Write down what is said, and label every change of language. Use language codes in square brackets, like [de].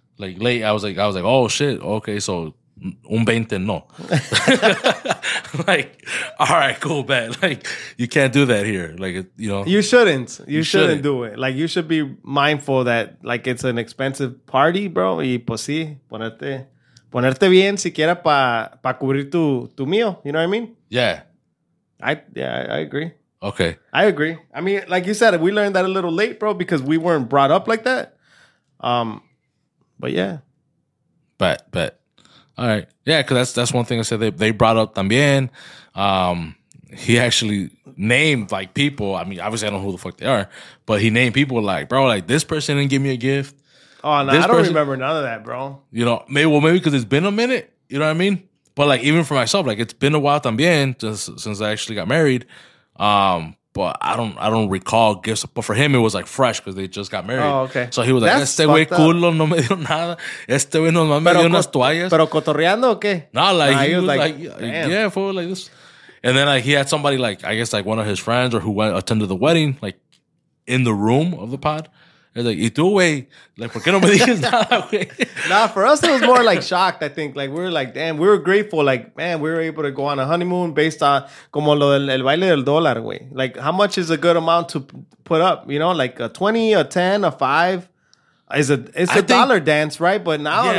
[en] like late. I was like, oh shit. Okay, so [es] un 20 no. [en] Like, all right, cool, bad. Like you can't do that here. Like you know, you shouldn't do it. Like you should be mindful that like it's an expensive party, bro. [es] Y pues sí, ponerte bien siquiera pa cubrir tu mío. [en] You know what I mean? Yeah. I agree. Okay. I agree. I mean, like you said, we learned that a little late, bro, because we weren't brought up like that. But yeah. Bet. All right. Yeah, because that's one thing I said. They brought up [es] también. [en] He actually named, like, people. I mean, obviously, I don't know who the fuck they are. But he named people like, bro, like, this person didn't give me a gift. Oh, no, this I don't person, remember none of that, bro. You know, maybe because it's been a minute. You know what I mean? But, like, even for myself, like, it's been a while [es] también [en] just since I actually got married. But I don't recall gifts. But for him, it was, like, fresh because they just got married. Oh, okay. [es] So he was like, este güey culo no me dio nada. Este güey no me dio unas toallas. Pero cotorreando o qué? [en] No, like, he was like yeah, for like this. And then, like, he had somebody, like, I guess, like, one of his friends or who went attended the wedding, like, in the room of the pod. He's like, [es] ¿y tú, güey? [en] Like, [es] ¿por qué no me dices nada, güey? [en] Nah, for us, it was more like shocked, I think. Like, we were like, damn, we were grateful. Like, man, we were able to go on a honeymoon based on [es] como lo del el baile del dólar, güey. [en] Like, how much is a good amount to put up? You know, like a 20, a 10, a 5? It's a dollar dance, right? But now, yeah.